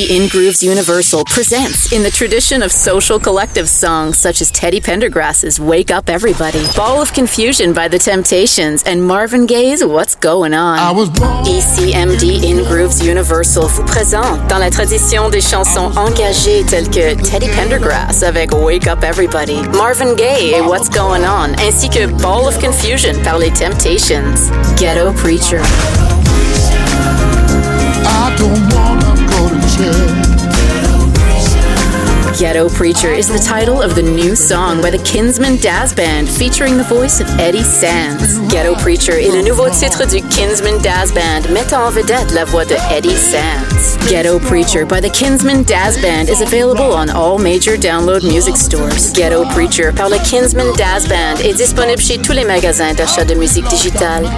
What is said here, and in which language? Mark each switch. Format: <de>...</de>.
<en>Grooves Universal presents, in the tradition of social collective songs such as Teddy Pendergrass's Wake Up Everybody, Ball of Confusion by The Temptations, and Marvin Gaye's What's Going On. I was born</en> <fr>ECMD in Grooves Universal vous présente dans la tradition des chansons engagées telles que Teddy Pendergrass avec Wake Up Everybody, Marvin Gaye et What's Going On, ainsi que Ball of Confusion par Les Temptations.</fr> <en>Ghetto Preacher. I don't wanna go to jail. Ghetto Preacher is the title of the new song by the Kinsmen Dazz Band, featuring the voice of Eddie Sands.</en> <fr>Ghetto Preacher est le nouveau titre du Kinsmen Dazz Band, mettant en vedette la voix de Eddie Sands.</fr> <en>Ghetto Preacher by the Kinsmen Dazz Band is available on all major download music stores.</en> <fr>Ghetto Preacher par le Kinsmen Dazz Band est disponible chez tous les magasins d'achat de musique digitale.</fr>